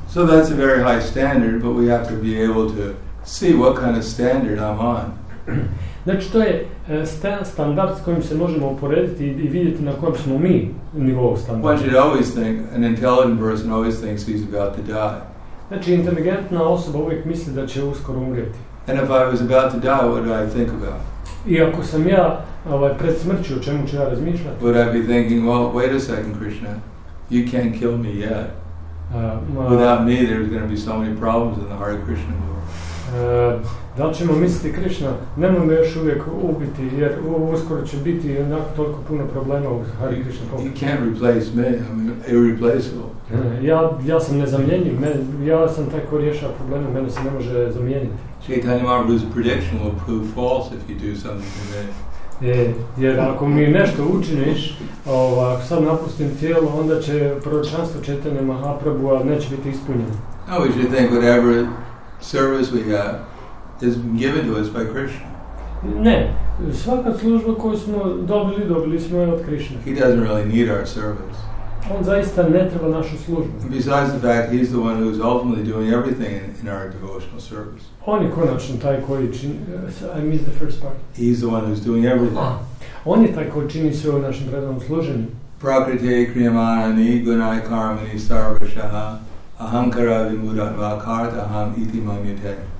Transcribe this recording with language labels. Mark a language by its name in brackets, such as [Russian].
[English] So that's a very high standard, but we have to be able to see what kind of standard I'm on. [Croatian] Znači to je standard s kojim se možemo uporediti i vidjeti na kojem smo mi nivou standarda. [English] One should always think, an intelligent person always thinks he's about to die. [Croatian] Znači inteligentna osoba uvijek misli da će uskoro umrijeti. [English] And if I was about to die, what would I think about? [Croatian] I ako sam ja pred smrću, o čemu ću ja razmišljati? [English] Would I be thinking, well, wait a second, Krishna, you can't kill me yet. Without me, there's going to be so many problems in the Hare Krishna world. [Croatian] Da li ćemo misliti, Krishna, nemoj me još uvijek ubiti, jer uskoro će biti onako toliko puno problema u Hare Krishna [English] world. You can't replace me, I'm irreplaceable. [Croatian] Ja sam nezamjenjiv, ja sam taj ko rješava probleme, mene se ne može zamijeniti. [English] Chaitanya Mahaprabhu's prediction will prove false if you do something to me. [Croatian] Jer ako mi nešto učiniš, sad napustim tijelo, onda će proročanstvo Chaitanya Mahaprabhu, a neće biti ispunjeno. [English] No, we should think whatever service we have is given to us by Krishna. [Croatian] Ne, svaka služba koju smo dobili, dobili smo je od Krishna. [English] He doesn't really need our service. [Croatian] On zaista ne treba našu službu. [English] Besides the fact, he's the one who's ultimately doing everything in our devotional service. [Croatian] On je konačno taj koji čini, [English] I missed the first part. He's the one who's doing everything. [Croatian] On je taj koji čini sve u našem predanom služenju. [Sanskrit] Prakriti kriyamanani gunai karmani sarvashaha ahankara vimudatva kartaham iti mamyate.